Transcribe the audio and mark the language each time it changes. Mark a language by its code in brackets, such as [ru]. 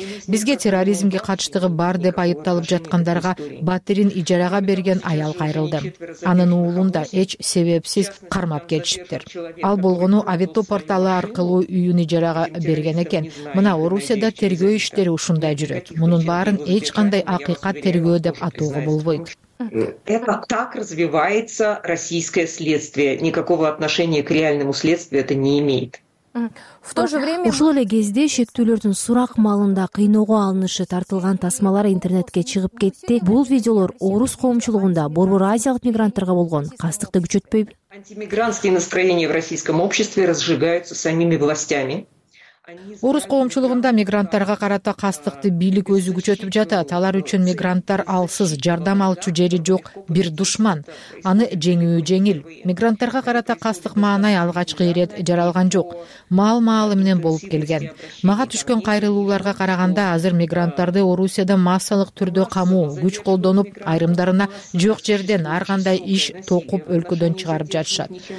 [ky] Бизге терроризмге катыштыгы бар деп айыпталып жаткандарга батирин ижарага берген аял кайрылды. Анын уулун да эч себепсиз кармап кетишиптир. Ал болгону Авито порталы аркылуу үйүн ижарага берген экен. Мына Орусияда тергөө иштери ушундай жүрөт. Мунун баарын эч кандай акыйкат тергөө деп атоого болбойт. [ru] Это так развивается российское следствие. Никакого отношения к реальному следствию это не имеет. В то же время [ky] ушул эле кезде шектүүлөрдүн сурак маалында кыйноого алынышы тартылган тасмалар интернетке чыгып кетти. Бул видеолор орус коомчулугунда борбор азиялык мигранттарга болгон кастыкты күчөтпөйбү? [ru] Антимигрантские настроения в российском обществе разжигаются самими властями. [ky] Орус коомчулугунда мигранттарга карата кастыкты бийлик өзү күчөтүп жатат. Алар үчүн мигранттар алсыз, жардам алчу жери жок бир душман. Аны жеңүү жеңил. Мигранттарга карата кастык маанай алгачкы ирет жаралган жок. Мал маалы менен болуп келген. Мага түшкөн кайрылууларга караганда, азыр мигранттарды Орусияда массалык түрдө камоо, күч колдонуп, айрымдарына жок жерден ар кандай иш токуп өлкөдөн чыгарып жатышат.